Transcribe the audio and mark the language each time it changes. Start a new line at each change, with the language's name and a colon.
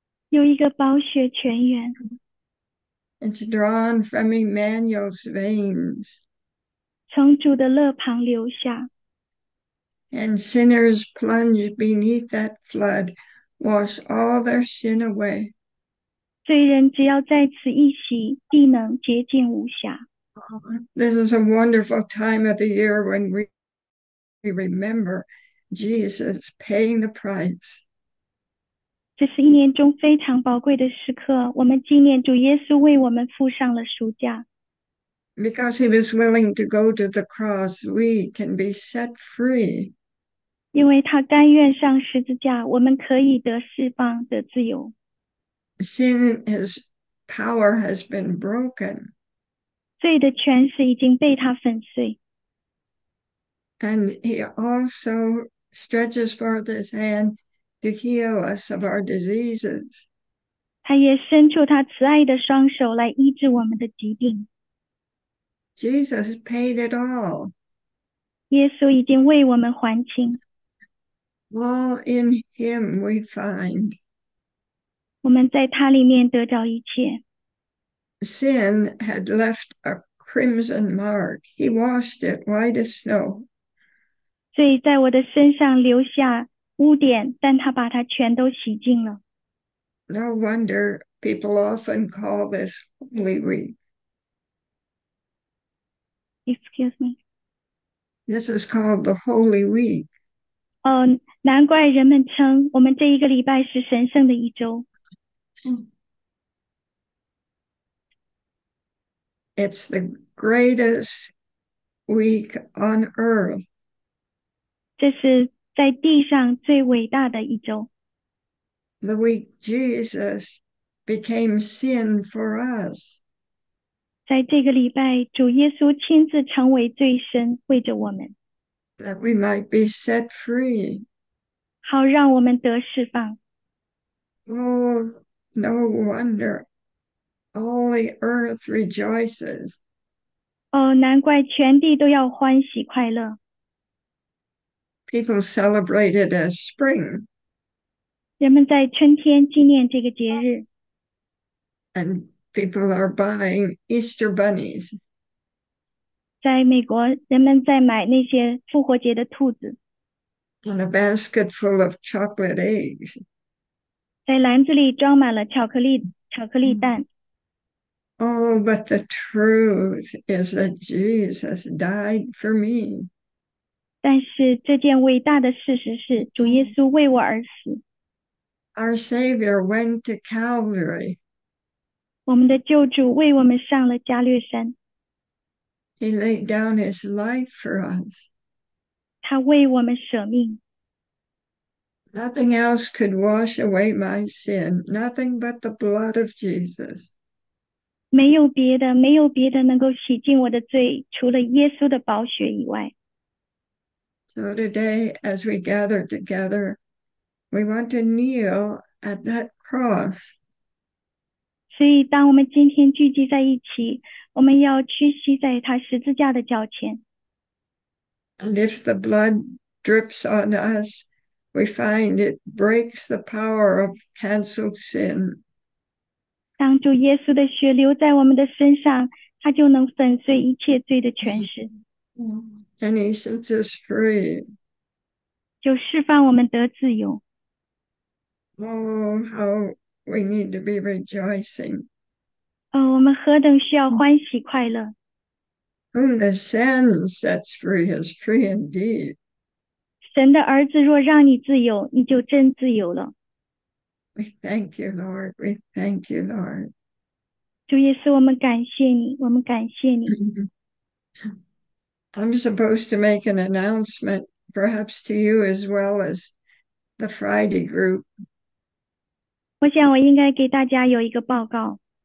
Chinese: 有一个宝血泉源。
English: It's drawn from Emmanuel's veins.
Chinese: 从主的肋旁流下。
English: And sinners plunged beneath that flood wash all their sin away.
Chinese: 罪人只要在此一洗，必能洁净无瑕。
English: This is a wonderful time of the year when we remember Jesus paying the price.
Chinese: 这是一年中非常宝贵的时刻，我们纪念主耶稣为我们付上了赎价。
English: Because he was willing to go to the cross, we can be set free.
Chinese: 因为他甘愿上十字架，我们可以得释放，得自由。
English: Sin, his power has been broken.
Chinese: 罪的权势已经被他粉碎。
English: And he also stretches forth his hand to heal us of our diseases.
Chinese: 他也伸出他慈爱的双手来医治我们的疾病。
English: Jesus paid it all.
Chinese: 耶稣已经为我们还清。
English: All in him we find.
Chinese: 我们在他里面得着一切。
English: Sin had left a crimson mark. He washed it white as snow.
Chinese: 罪在我的身上留下污点，但他把它全都洗净了。
English: No wonder people often call this Holy Week. Excuse me. This is called the Holy Week.
Chinese: 难怪人们称我们这一个礼拜是神圣的一周。
English: It's the greatest week on earth.
Chinese: 这是在地上最伟大的一周。
English: The week Jesus became sin for us.
Chinese: 在这个礼拜，主耶稣亲自成为罪身，为着我们，
English: That we might be set free.
Chinese: 好让我们得释放。
English: Oh, no wonder all the earth rejoices.
Chinese: 哦，难怪全地都要欢喜快乐。
English: People celebrate it as spring.
Chinese: 人们在春天纪念这个节日。
English: And people are buying Easter bunnies.
Chinese: 在美国，人们在买那些复活节的兔子，
English: And a basket full of chocolate eggs.
Chinese: 在篮子里装满了巧克力蛋。
English: Oh, but the truth is that Jesus died for me.
Chinese: 但是这件伟大的事实是，主耶稣为我而死。
English: Our Savior went to Calvary.
Chinese: 我们的救主为我们上了加略山。
English: He laid down his life for us.
Chinese: 他为我们舍命。
English: Nothing else could wash away my sin, nothing but the blood of Jesus.
Chinese: 没有别的能够洗净我的罪，除了耶稣的宝血以外。
English: So today, as we gather together, we want to kneel at that cross.
Chinese: 所以，当我们今天聚集在一起，我们要屈膝在他十字架的脚前。
English: And if the blood drips on us, we find it breaks the power of canceled sin.
Chinese: 当主耶稣的血流在我们的身上，他就能粉碎一切罪的权势，
English: And he sets us free.
Chinese: 就释放我们得自由。
English: Oh, how we need to be rejoicing.
Chinese: 哦，我们何等需要欢喜快乐！
English: Whom the Son sets free is free indeed.
Chinese: 神的儿子若让你自由，你就真自由了。
English: We thank you, Lord. We thank you, Lord.
Chinese: 主耶稣，我们感谢你，我们感谢你。
English: I'm supposed to make an announcement, perhaps to you as well as the Friday group.
Chinese: 我想我应该给大家有一个报告。